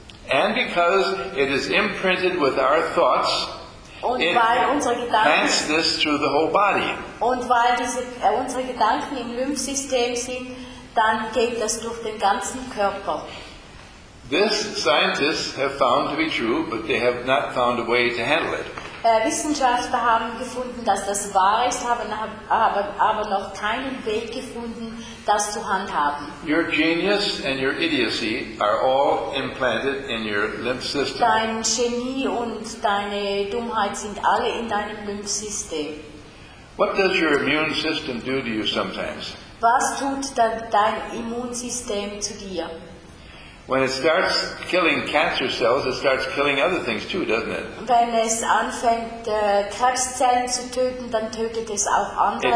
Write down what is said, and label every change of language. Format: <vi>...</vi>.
<en>And because it is imprinted with our thoughts, it transmits this through the whole body.</en> <de>Und weil diese unsere Gedanken im Lymphsystem sind, dann geht das durch den ganzen Körper.</de> <en>This scientists have found to be true, but they have not found a way to handle it.</en> <de>Wissenschaftler haben gefunden, dass das wahr ist, haben aber noch keinen Weg gefunden, das zu handhaben.</de> <en>Your genius and your idiocy are all implanted in your lymph system.</en> <de>Dein Genie und deine Dummheit sind alle in deinem Lymphsystem.</de> <en>What does your immune system do to you sometimes?</en> <de>Was tut dein Immunsystem zu dir?</de> <en>When it starts killing cancer cells, it starts killing other things too, doesn't it?</en> <de>Wenn es anfängt, Krebszellen zu töten, dann tötet es auch andere</de>